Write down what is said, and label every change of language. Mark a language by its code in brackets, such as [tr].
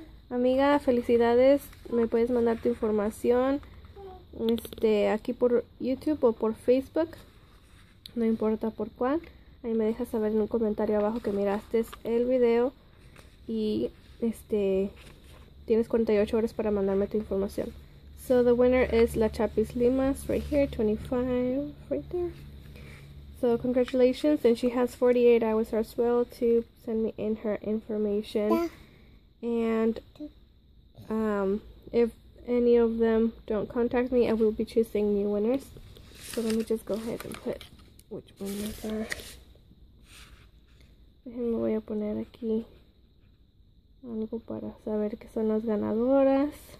[es] Amiga, felicidades. Me puedes mandar tu información aquí por YouTube o por Facebook. No importa por cuál. Ahí me dejas saber en un comentario abajo que miraste el video. Y tienes 48 horas para mandarme tu información. [en] So the winner is La Chapis Limas right here. 25 right there. So congratulations, and she has 48 hours as well to send me in her information. Yeah. And if any of them don't contact me, I will be choosing new winners. So let me just go ahead and put which winners are. [es] Déjenme voy a poner aquí algo para saber que son las ganadoras.